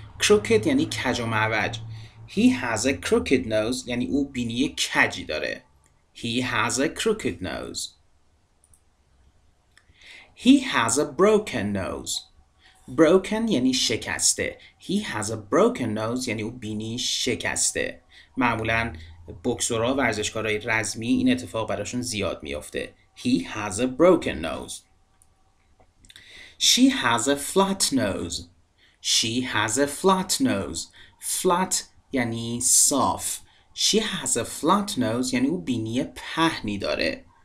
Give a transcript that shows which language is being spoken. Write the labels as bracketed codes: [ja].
[fa] Crooked یعنی کج و معوج. [en] He has a crooked nose [fa] یعنی او بینی کجی داره. [en] He has a crooked nose. He has a broken nose. [fa] Broken یعنی شکسته. [en] He has a broken nose [fa] یعنی او بینی شکسته. معمولاً بوکسورها، ورزشکارای رزمی، این اتفاق براشون زیاد میافته. [en] He has a broken nose. She has a flat nose. She has a flat nose. [fa] Flat یعنی صاف. [en] She has a flat nose [fa] یعنی او بینی پهنی داره.